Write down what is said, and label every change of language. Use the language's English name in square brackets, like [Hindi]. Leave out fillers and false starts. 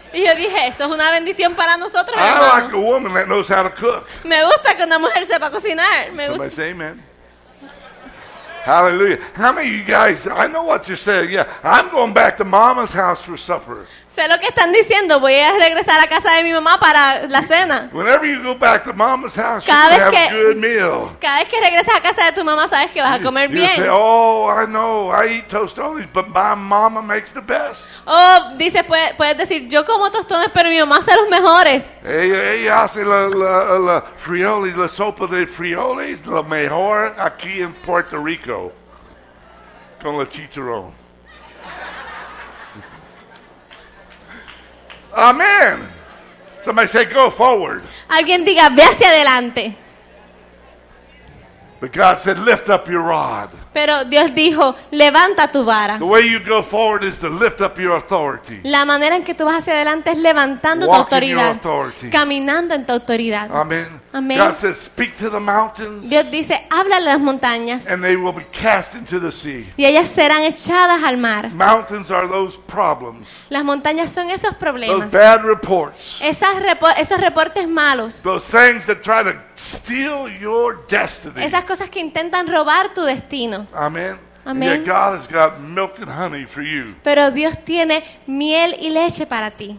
[Spanish] Y yo dije, eso es una bendición para nosotros, [English] I [Spanish] hermano. [English] Like a woman that knows how to cook. [Spanish] Me gusta que una mujer sepa cocinar. [English] Somebody say amen. Hallelujah. How many of you guys, I know what you're saying. Yeah, I'm going back to mama's house for supper. [Spanish] Sé lo que están diciendo. Voy a regresar a casa de mi mamá para la cena. [English] Whenever you go back to mama's house, you have a good meal. [Spanish] Cada vez que regresas a casa de tu mamá, sabes que vas a comer bien. [English] You say, oh, I know, I eat tostones, but my mama makes the best. [Spanish] Oh, dices, puedes decir, yo como tostones, pero mi mamá hace los mejores. Ella hace la frijoles, la sopa de frijoles, la mejor aquí en Puerto Rico. Con la chicharrón. [English] Amen. Somebody say, go forward. [Spanish] Alguien diga, ve hacia adelante. [English] But God said, lift up your rod. [Spanish] Pero Dios dijo, levanta tu vara. [English] The way you go forward is to lift up your authority. [Spanish] La manera en que tú vas hacia adelante es levantando [English] walk [Spanish] tu autoridad. [English] Your authority. [Spanish] Caminando en tu autoridad. [English] Amen. [Spanish] Amen. [English] God says, speak to the mountains. [Spanish] Dios dice, habla a las montañas. [English] And they will be cast into the sea. [Spanish] Y ellas serán echadas al mar. [English] Mountains are those problems. [Spanish] Las montañas son esos problemas. [English] Those bad reports. [Spanish] Esos reportes malos. [English] Those things that try to steal your destiny. [Spanish] Esas cosas que intentan robar tu destino. [English] Amen. [Spanish] Amen. [English] Yet God has got milk and honey for you. [Spanish] Pero Dios tiene miel y leche para ti.